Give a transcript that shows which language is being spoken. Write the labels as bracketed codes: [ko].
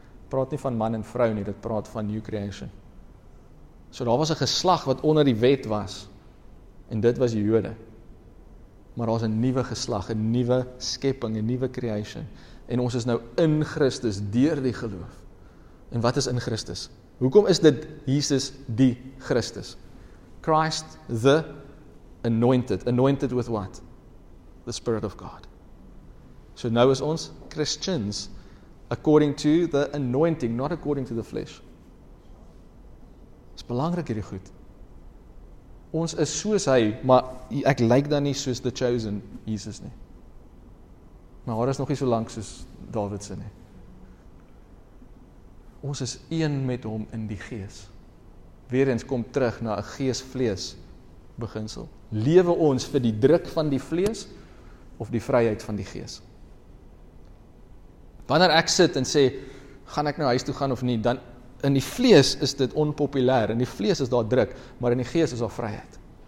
[af] Praat nie van man en vrou nie, dit praat van [en] new creation. [af] So daar was 'n geslag wat onder die wet was, en dit was die Jode. Maar daar is 'n nuwe geslag, 'n nuwe skepping, 'n nuwe creation, en ons is nou in Christus deur die geloof. En wat is in Christus? Hoekom is dit Jesus die Christus? [en] Christ the anointed. Anointed with what? The Spirit of God. So nou is ons Christians according to the anointing, not according to the flesh. [af] Dit is belangrik hierdie goed. Ons is soos hy, maar ek lyk dan nie soos the chosen Jesus nie. Maar haar is nog nie so lank soos David se nie. Ons is een met hom in die gees. Weerens kom terug na 'n gees-vlees beginsel. Lewe ons vir die druk van die vlees of die vryheid van die gees? Wanneer ek sit en sê, gaan ek nou huis toe gaan of nie, dan in die vlees is dit onpopulêr, in die vlees is daar druk, maar in die gees is daar vryheid.